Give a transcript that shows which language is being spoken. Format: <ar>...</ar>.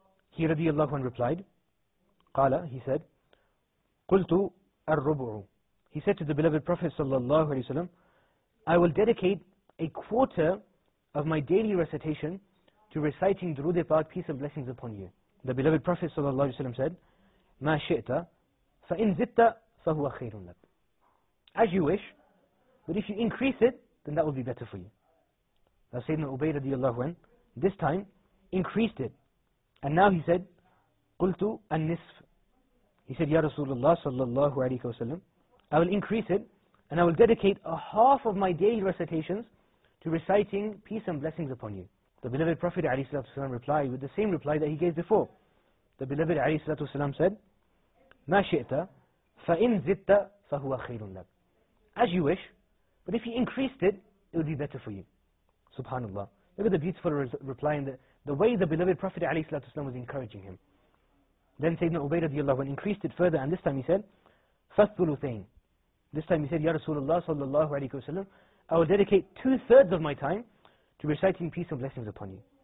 <en>He radiallahu anhu replied,</en> <ar>قَالَ.</ar> <en>He said,</en> <ar>قُلْتُ الرُّبُعُ.</ar> <en>He said to the beloved Prophet ﷺ, I will dedicate a quarter of my daily recitation to reciting Durood-e Paak, peace and blessings upon you. The beloved Prophet ﷺ said,</en> <ar>مَا شِئْتَ فَإِنْ زِدْتَ فَهُوَ خَيْرٌ لَكَ.</ar> <en>As you wish, but if you increase it, then that will be better for you. Now Sayyidina Ubay radiallahu anh, this time, increased it. And now he said,</en> <ar>قُلْتُ النِّصْفِ.</ar> <en>He said, Ya Rasulullah sallallahu alayhi wa sallam, I will increase it, and I will dedicate a half of my daily recitations to reciting peace and blessings upon you. The beloved Prophet ﷺ replied with the same reply that he gave before. The beloved ﷺ said,</en> <ar>مَا شِئْتَ فَإِنْ زِدْتَ فَهُوَ خَيْرٌ لَكَ.</ar> <en>As you wish, but if you increased it, it would be better for you. Subhanallah. Look at the beautiful reply and the way the beloved Prophet ﷺ was encouraging him. Then Sayyidina Ubay radiallahu anhu increased it further, and this time he said,</en> <ar>فَالثُّلُثَيْنِ.</ar> <en>This time he said, Ya Rasulullah sallallahu alayhi wa sallam, I will dedicate 2/3 of my time to reciting peace and blessings upon you.</en>